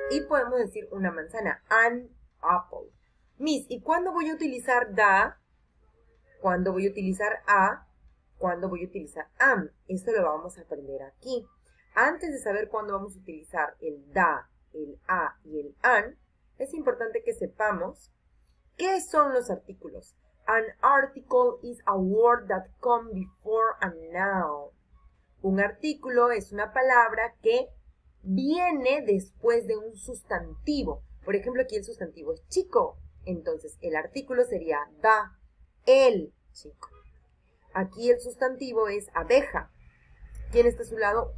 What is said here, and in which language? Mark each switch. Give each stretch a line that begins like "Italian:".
Spanish: Y podemos decir una manzana,
English: an apple.
Spanish: Miss, ¿y cuándo voy a utilizar the? ¿Cuándo voy a utilizar a? ¿Cuándo voy a utilizar am? Esto lo vamos a aprender aquí. Antes de saber cuándo vamos a utilizar el da, el a y el an, es importante que sepamos qué son los artículos.
English: An article is a word that comes before a noun.
Spanish: Un artículo es una palabra que viene después de un sustantivo. Por ejemplo, aquí el sustantivo es chico. Entonces, el artículo sería da, el chico. Aquí el sustantivo es abeja. ¿Quién está a su lado?